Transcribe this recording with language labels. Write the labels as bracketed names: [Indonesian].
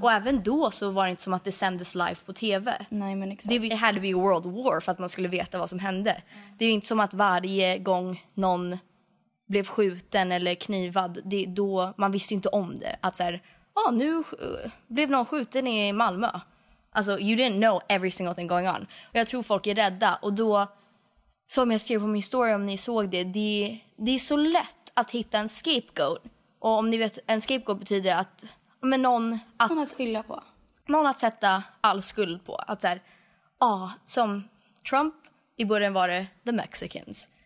[Swedish] Och även då så var det inte som att det sändes live på tv. Nej, men exakt. Det hade to be a world war för att man skulle veta vad som hände. Mm. Det är ju inte som att varje gång någon blev skjuten eller knivad, det då man visste inte om det. Att så här, nu blev någon skjuten i Malmö. [English] Alltså, you didn't know every single thing going on. [Swedish] Och jag tror folk är rädda. Och då, som jag skrev på min story, om ni såg det, det är så lätt att hitta en scapegoat. Och om ni vet, en scapegoat betyder att... men någon att... någon att skylla på. Någon att sätta all skuld på. Att så här, som Trump i början var det the Mexicans.